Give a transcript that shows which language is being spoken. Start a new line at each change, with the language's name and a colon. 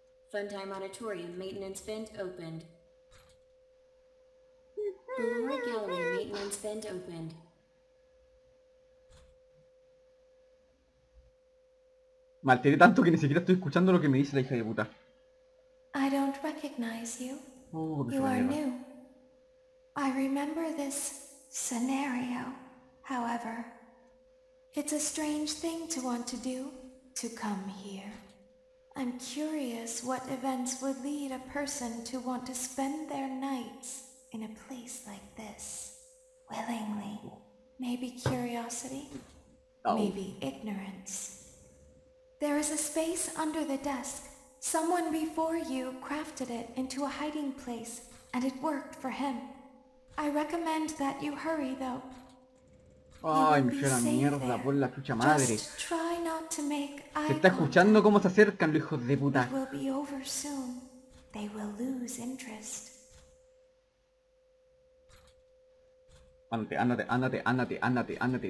English: Funtime Auditorium Maintenance Vent opened. Ballora Gallery Maintenance Vent opened.
Spanish: Me alteré tanto que ni siquiera estoy escuchando lo que me dice la hija de puta.
English: I don't recognize you. Oh, me you are new. I remember this scenario, however. It's a strange thing to want to do, to come here. I'm curious what events would lead a person to want to spend their nights in a place like this. Willingly. Maybe curiosity? Maybe ignorance. There is a space under the desk. Someone before you crafted it into a hiding place, and it worked for him. I recommend that you hurry, though.
Spanish: Ay, me suena mierda, por la chucha madre. Se está escuchando cómo se acercan los hijos de puta.
English: It will be over soon. They will lose interest.
Spanish: Ándate, ándate, ándate, ándate, ándate, ándate.